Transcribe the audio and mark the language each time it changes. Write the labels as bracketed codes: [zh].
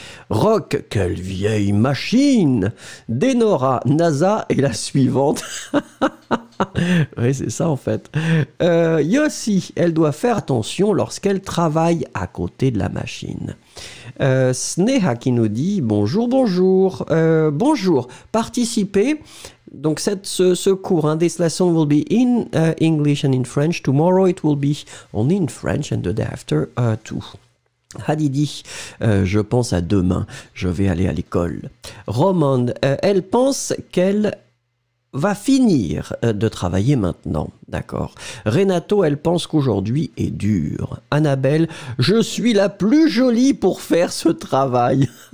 [fr] Rock, quelle vieille machine! Denora, NASA et la suivante. Oui, c'est ça en fait. Yossi, elle doit faire attention lorsqu'elle travaille à côté de la machine. Sneha qui nous dit bonjour, bonjour. Bonjour, participez. Donc ce cours, hein, [en] this lesson will be in English and in French. Tomorrow it will be only in French and the day after too. [fr] Hadidi, je pense à demain, je vais aller à l'école. Roman, elle pense qu'elle va finir de travailler maintenant, d'accord. Renato, elle pense qu'aujourd'hui est dur. Annabelle, je suis la plus jolie pour faire ce travail.